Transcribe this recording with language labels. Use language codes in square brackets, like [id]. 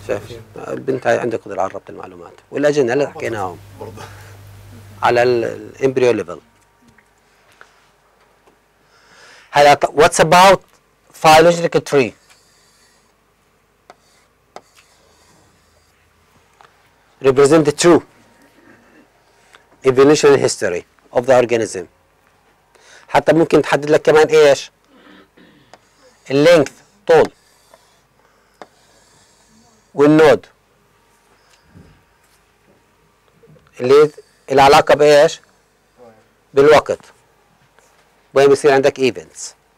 [ar] شايف البنت هاي عندها قدره على ربط المعلومات والاجنه اللي حكيناهم على الامبريو ليفل. [en] هلا واتس اباوت phylogenetic tree؟ represent the true evolutionary history of the organism. [ar] حتى ممكن تحدد لك كمان ايش؟ اللينث طول والنود اللي له علاقه بايش؟ بالوقت وين بيصير عندك ايفنتس.